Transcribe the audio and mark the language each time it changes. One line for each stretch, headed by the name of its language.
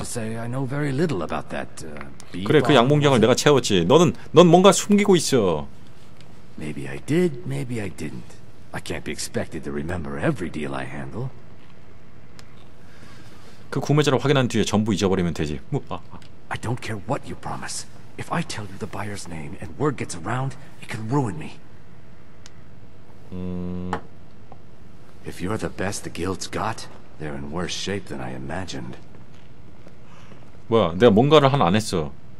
English: Say, that,
Korean: 그래 그 양봉장을 내가 채웠지. 너는 넌 뭔가 숨기고 있어.
English: Maybe I did, maybe I didn't. I can't be expected to remember every deal I handle.
Korean: 그 구매자를 확인한 뒤에 전부 잊어버리면 되지.
English: I don't care what you promise. If I tell you the buyer's name and word gets around, it could ruin me. If you're the best the guild's got, they're in worse shape than I imagined.
Korean: 뭐야, 내가 뭔가를 한 안 했어.